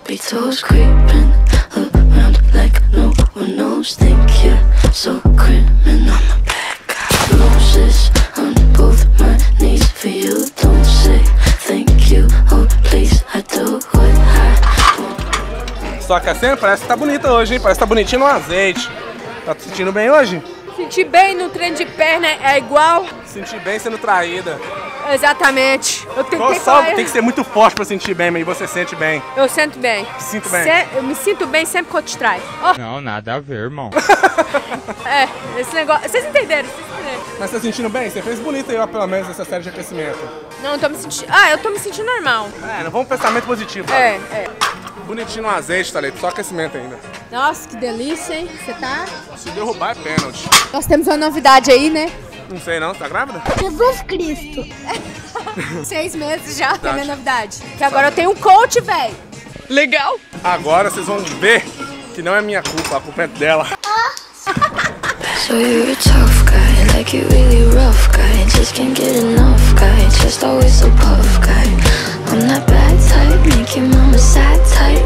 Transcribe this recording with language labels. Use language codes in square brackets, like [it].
[en] Toes creeping around like no one knows. Think you're so criminal. I'm a bad guy. Roses on both my knees for you. Don't say thank you. Oh, please, I do what I want. [pt] Só que assim, parece que tá bonita hoje, hein? Parece que tá bonitinho no azeite. Tá se sentindo bem hoje? Sentir bem no treino de perna é igual... Sentir bem sendo traída. Exatamente. Tem que ser muito forte pra sentir bem, mas você sente bem. Eu sinto bem. Sinto bem. Eu me sinto bem sempre que eu te traio. Oh. Não, nada a ver, irmão. É, esse negócio... Vocês entenderam. Mas você tá sentindo bem? Você fez bonito aí, ó, pelo menos, essa série de aquecimento. Não, eu tô me sentindo normal. É, não vamos pensamento positivo, sabe? É. Bonitinho no azeite, tá ali, só aquecimento ainda. Nossa, que delícia, hein? Você tá? Se derrubar é pênalti. Nós temos uma novidade aí, né? Não sei não, você tá grávida? Jesus Cristo! 6 meses já, verdade. Tem a minha novidade. Que agora eu tenho um coach, velho. Legal! Agora vocês vão ver que não é minha culpa, a culpa é dela. [en] So you're a tough guy, like you're really rough guy. Just can't get enough guy, just always so puff guy. I'm that bad type, make your mama sad type.